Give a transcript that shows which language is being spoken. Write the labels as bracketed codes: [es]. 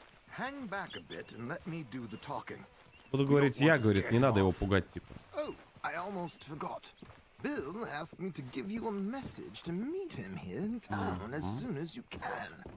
[en] Hang back a bit and let me do the talking. [ru] Буду говорить я, говорит, не надо его пугать, типа. [en] Oh, I almost forgot. Bill asked me to give you a message to meet him here in town as soon as you can.